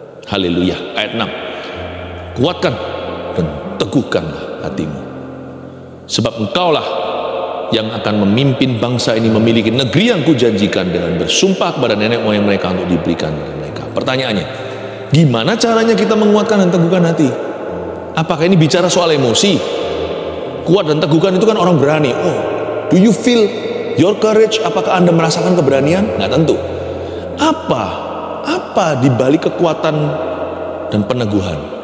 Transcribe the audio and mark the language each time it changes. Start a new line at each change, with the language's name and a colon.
Indonesian: Haleluya, ayat 6. Kuatkan dan teguhkanlah hatimu, sebab engkaulah yang akan memimpin bangsa ini memiliki negeri yang kujanjikan dengan bersumpah kepada nenek moyang mereka untuk diberikan kepada mereka. Pertanyaannya, gimana caranya kita menguatkan dan teguhkan hati? Apakah ini bicara soal emosi? Kuat dan teguhkan itu kan orang berani.
English: Oh, do you feel your courage?
Indonesian: Apakah Anda merasakan keberanian? Nggak tentu. Apa dibalik kekuatan dan peneguhan?